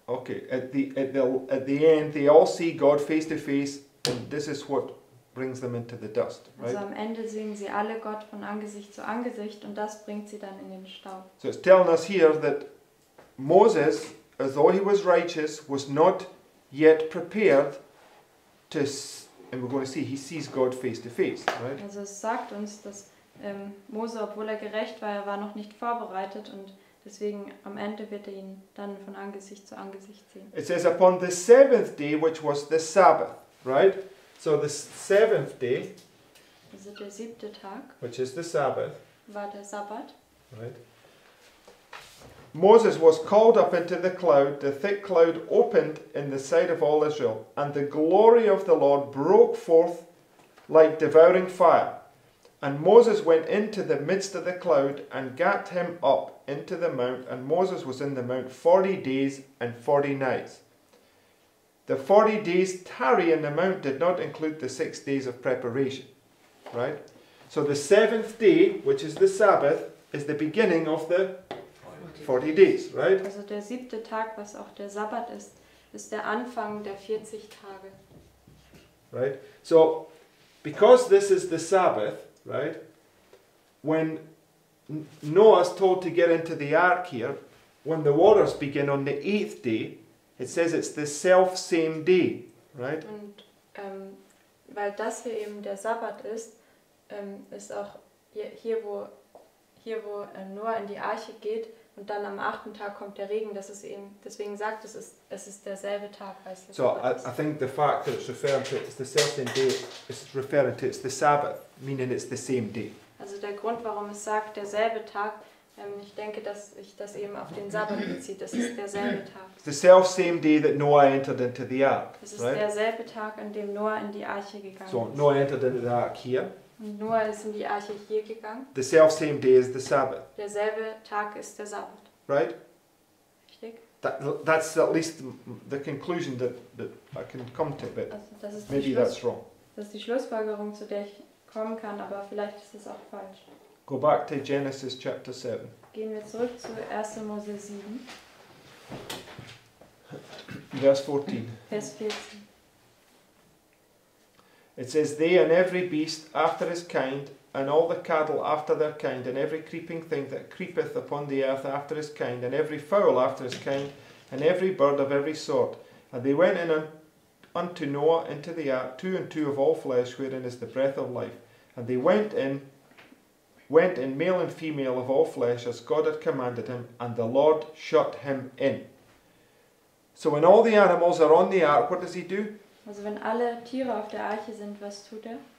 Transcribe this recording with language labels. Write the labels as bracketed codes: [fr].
[en] Okay, at the end they all see God face to face, and this is what brings them into the dust, right? [de] Also am Ende sehen sie alle Gott von Angesicht zu Angesicht und das bringt sie dann in den Staub. [en] So it's telling us here that Moses, although he was righteous, was not yet prepared to, and we're going to see, he sees God face to face, right? [de] Also es sagt uns, dass Mose, obwohl gerecht war, war noch nicht vorbereitet und deswegen am Ende wird ihn dann von Angesicht zu Angesicht sehen. [en] It says upon the seventh day, which was the Sabbath, right? So the seventh day, [de] also der siebte Tag, [en] which is the Sabbath, [de] war der Sabbat, [en] right? Moses was called up into the cloud, the thick cloud opened in the sight of all Israel, and the glory of the Lord broke forth like devouring fire. And Moses went into the midst of the cloud and gat him up into the mount, and Moses was in the mount 40 days and 40 nights. The 40 days tarry in the mount did not include the 6 days of preparation, right? So the seventh day, which is the Sabbath, is the beginning of the 40 days, right? [de] Also der siebte Tag, was auch der Sabbat ist, ist der Anfang der 40 Tage. [en] Right? So, because this is the Sabbath, right? When Noah's told to get into the ark here, when the waters begin on the eighth day, it says it's the self same day, right? [de] Und weil das hier eben der Sabbat ist, ist auch hier wo Noah in die Arche geht und dann am achten Tag kommt der Regen, das ist eben deswegen sagt es ist derselbe Tag als der so Sabbat. [en] I think the fact that it's referring to it's the self same day is referring to it's the Sabbath, meaning it's the same day. [de] Also der Grund, warum es sagt derselbe Tag. Ich denke, dass ich das eben auf den Sabbat bezieht. Das ist derselbe Tag. [en] The self same day that Noah entered into the ark. [de] Das ist derselbe Tag, an dem Noah in die Arche gegangen [en] so, [de] ist. [en] So Noah entered into the ark here. [de] Und Noah ist in die Arche hier gegangen. [en] The self same day is the Sabbath. [de] Derselbe Tag ist der Sabbat. [en] Right? [de] Ich richtig? [en] That's at least the conclusion that I can come to, but also, maybe that's wrong. [de] Das ist die Schlussfolgerung, zu der ich kommen kann, aber vielleicht ist es auch falsch. [en] Go back to Genesis chapter 7. [de] Gehen wir zurück zu 1. Mose 7. [en] Verse 14. [de] Vers 14. [en] It says, they and every beast after his kind, and all the cattle after their kind, and every creeping thing that creepeth upon the earth after his kind, and every fowl after his kind, and every bird of every sort. And they went in unto Noah into the ark, two and two of all flesh, wherein is the breath of life. And they went in male and female of all flesh, as God had commanded him, and the Lord shut him in. So when all the animals are on the ark, what does he do? [de] Also wenn alle Tiere auf der Arche sind, was tut er?